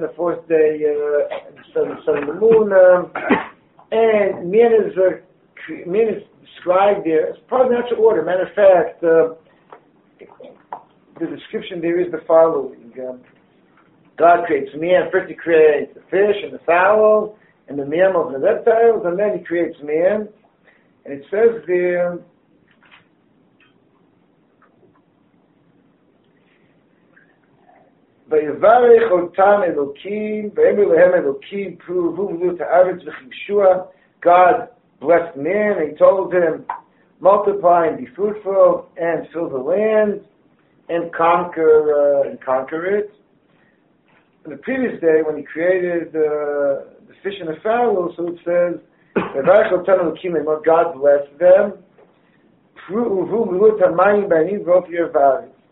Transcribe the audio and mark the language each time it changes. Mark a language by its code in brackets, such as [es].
[en] The fourth day, sun and the moon. And man is described there as part of the natural order. Matter of fact, the description there is the following. God creates man. First he creates the fish and the fowl and the mammals and the reptiles. And then he creates man. [he] And it says there, ויברך אותם אלוקים, ויאמר להם אלוקים, פרו ורבו את הארץ וכבשוה. [en] God blessed man, and he told them, multiply and be fruitful, and fill the land, and conquer it. On the previous day, when he created the fish and the fowl, so it says, [he] ויברך אותם אלוקים, [en] and what God blessed them, [he] פרו ורבו את המים בעניים ורוב יברך.